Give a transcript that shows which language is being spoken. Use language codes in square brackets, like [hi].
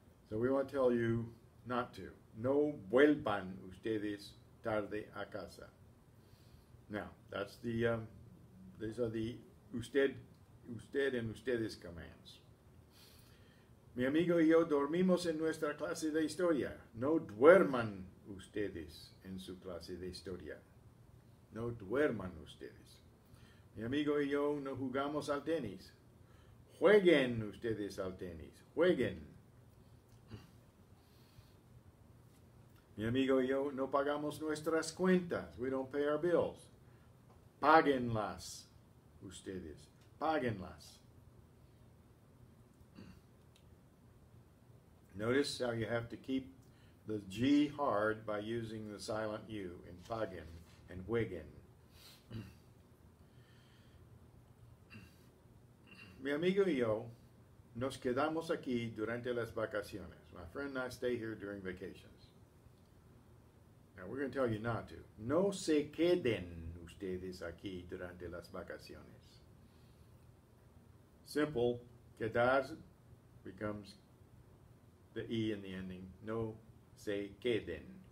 [en] So we want to tell you not to. [es] No vuelvan ustedes tarde a casa. [en] Now, that's the, these are the usted and ustedes commands. [es] Mi amigo y yo dormimos en nuestra clase de historia. No duerman ustedes en su clase de historia. No duerman ustedes. Mi amigo y yo no jugamos al tenis. Jueguen ustedes al tenis. Jueguen. Mi amigo y yo no pagamos nuestras cuentas. [en] We don't pay our bills. [es] Páguenlas ustedes. Páguenlas. [en] Notice how you have to keep the G hard by using the silent U in paguen and wiggen. [es] Mi amigo y yo nos quedamos aquí durante las vacaciones. [en] My friend and I stay here during vacations. Now we're going to tell you not to. [es] No se queden ustedes aquí durante las vacaciones. Simple. [en] Quedarse becomes the E in the ending. [es] No se queden.